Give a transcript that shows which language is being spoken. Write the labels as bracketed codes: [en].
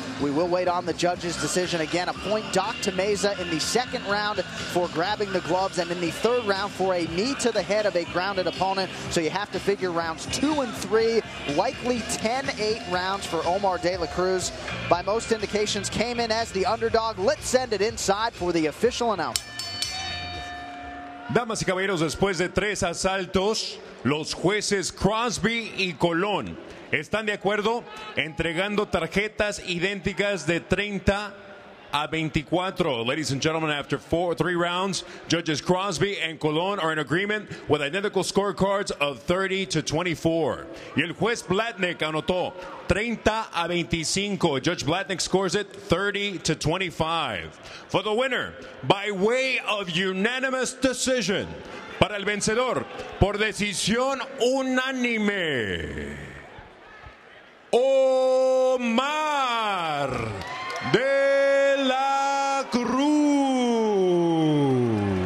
[en] We will wait on the judges' decision. Again, a point docked to Meza in the second round for grabbing the gloves, and in the third round for a knee to the head of a grounded opponent. So you have to figure rounds 2 and 3, likely 10-8 rounds for Omar De La Cruz. By most indications, came in as the underdog. Let's send it inside for the official announcement. [es] Damas y caballeros, después de 3 asaltos, los jueces Crosby y Colón están de acuerdo entregando tarjetas idénticas de 30 a 24. [en] Ladies and gentlemen, after 3 rounds, judges Crosby and Colón are in agreement with identical scorecards of 30 to 24. [es] Y el juez Blatnick anotó 30 a 25. [en] Judge Blatnick scores it 30 to 25. For the winner, by way of unanimous decision, [es] para el vencedor, por decisión unánime, [en] Omar De La Cruz.